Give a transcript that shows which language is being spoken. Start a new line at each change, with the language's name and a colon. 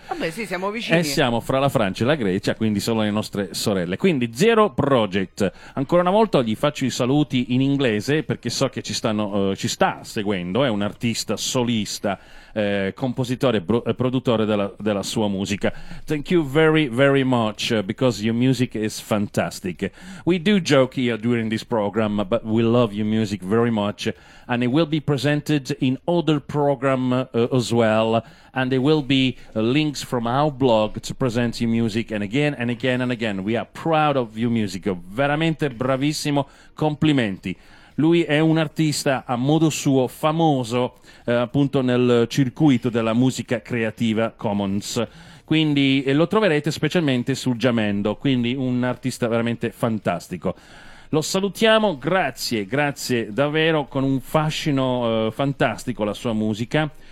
Italian: Vabbè, sì, siamo vicini. Siamo fra la Francia e la Grecia, quindi sono le nostre sorelle. Quindi Zero Project. Ancora una volta gli faccio i saluti in inglese perché so che ci sta seguendo. È un artista solista, compositore, produttore della sua musica.
English: Thank you very, very much because your music is fantastic. We do joke here during this program, but we love your music very much. And it will be presented in other program as well. And there will be links from our blog to present your music. And again and again and again, we are proud of your music.
Italian: Veramente bravissimo. Complimenti. Lui è un artista a modo suo famoso appunto nel circuito della musica creativa Commons. Quindi e lo troverete specialmente su Giamendo, quindi un artista veramente fantastico. Lo salutiamo, grazie davvero, con un fascino fantastico la sua musica.